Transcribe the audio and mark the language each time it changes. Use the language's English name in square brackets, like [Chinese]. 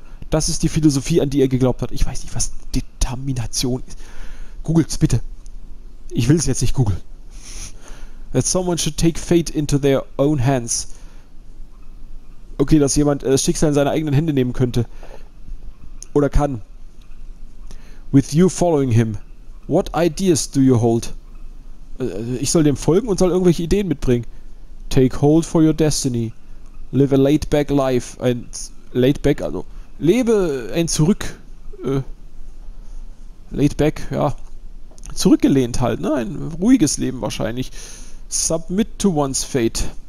[German] Das ist die Philosophie, an die er geglaubt hat. Ich weiß nicht, was Determination ist. Googelt's bitte. Ich will es jetzt nicht googeln. [English] That someone should take fate into their own hands. [German] Okay, dass jemand das Schicksal in seine eigenen Hände nehmen könnte. Oder kann. [English] With you following him, what ideas do you hold? [German] Ich soll dem folgen und soll irgendwelche Ideen mitbringen. [English] Take hold for your destiny. Live a laid-back life. [German] Ein laid-back, also lebe ein zurück. Laid-back, ja. Zurückgelehnt halt, ne? Ein ruhiges Leben wahrscheinlich. [English] Submit to one's fate.